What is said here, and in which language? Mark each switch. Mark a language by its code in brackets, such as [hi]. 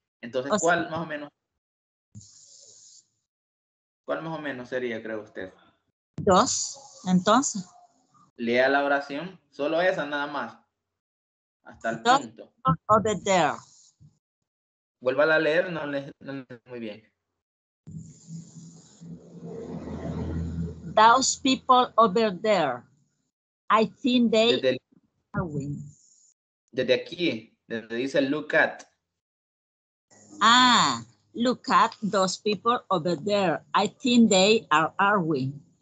[es] Entonces, ¿cuál más o menos sería, creo usted? Dos, entonces. Lea la oración, solo esa, nada más. Hasta el punto. [en] Over there. [es] Vuelva a leer, no le muy bien. [en] Those people over there, I think they are winning. [es] Desde aquí, donde dice look at. [en] Ah, look at those people over there. I think they are winning.